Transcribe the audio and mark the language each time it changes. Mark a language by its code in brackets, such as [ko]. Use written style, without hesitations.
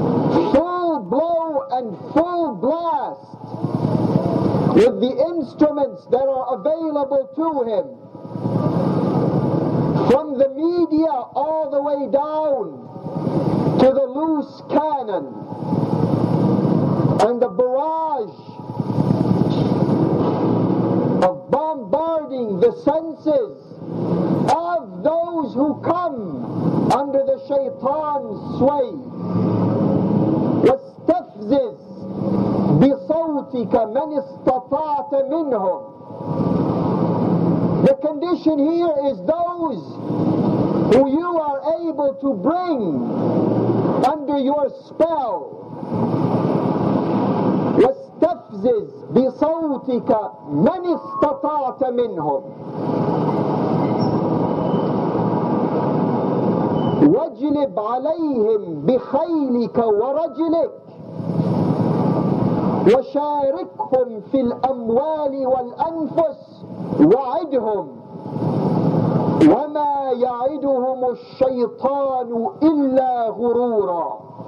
[en] full blast with the instruments that are available to him, from the media all the way down to the loose cannon and the barrage of bombarding the senses of those who come under the shaitan's sway. [ar] واستفزز بصوتك من استطعت منهم. [en] The condition here is those who you are able to bring under your spell. [ar] واستفزز بصوتك من استطعت منهم. واجلب عليهم بخيلك ورجلك وشاركهم في الأموال والأنفس وعدهم وما يعدهم الشيطان إلا غرورا.